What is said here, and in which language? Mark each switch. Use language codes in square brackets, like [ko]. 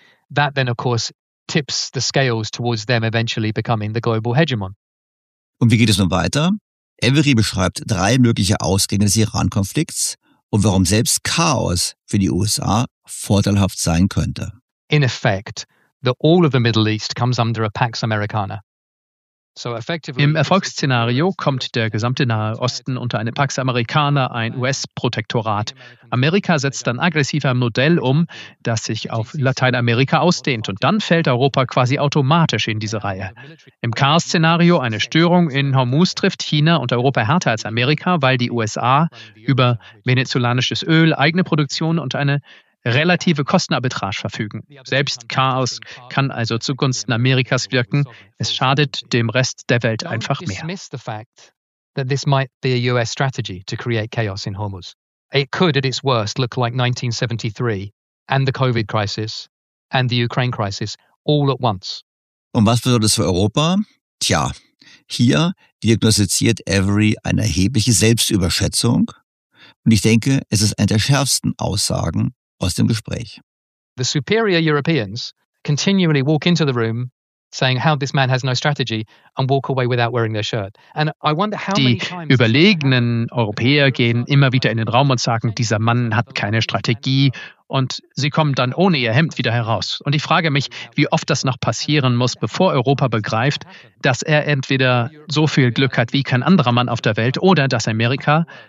[en] That then of course tips the scales towards them eventually becoming the global hegemon. [de] Und wie geht es nun weiter? Avery beschreibt 3 mögliche Ausgänge des Iran-Konflikts und warum selbst Chaos für die USA vorteilhaft sein könnte. [en] In effect, the all of the Middle East comes under a Pax Americana. [de] Im Erfolgsszenario kommt der gesamte Nahe Osten unter eine Pax Americana, ein US-Protektorat. Amerika setzt dann aggressiv ein Modell um, das sich auf Lateinamerika ausdehnt. Und dann fällt Europa quasi automatisch in diese Reihe. Im Chaos-Szenario eine Störung in Hormuz trifft China und Europa härter als Amerika, weil die USA über venezolanisches Öl, eigene Produktion und eine relative Kostenarbitrage verfügen. Selbst Chaos kann also zugunsten Amerikas wirken. Es schadet dem Rest der Welt einfach mehr. [en] Don't dismiss the fact that this might be a US strategy to create chaos in Hormuz. It could at its worst look like 1973 and the COVID crisis and the Ukraine crisis all at once. [de] Und was bedeutet das für Europa? Tja, hier diagnostiziert Avery eine erhebliche Selbstüberschätzung. Und ich denke, es ist eine der schärfsten Aussagen aus dem Gespräch. [en] The superior Europeans continually walk into the room saying how this man has no strategy and walk away without wearing their shirt. And I wonder how [de] die überlegenen Europäer gehen immer wieder in den Raum und sagen, dieser Mann hat keine Strategie, und sie kommen dann ohne ihr Hemd wieder heraus. Und ich frage mich, wie oft das noch passieren muss, bevor Europa begreift, dass er entweder so viel Glück hat wie kein anderer Mann auf der Welt oder dass Amerika